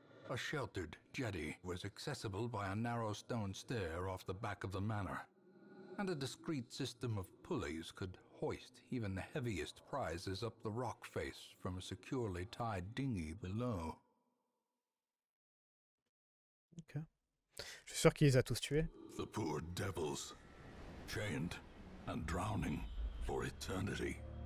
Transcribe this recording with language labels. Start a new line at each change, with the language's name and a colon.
English: A sheltered jetty was accessible by a narrow stone stair off the back of the manor, and a discreet system of pulleys could hoist even the heaviest prizes up the rock face from a securely tied dinghy below.
French: Okay. Je suis sûr qu'il les a tous tués.
English: The poor devils, chained and drowning for eternity.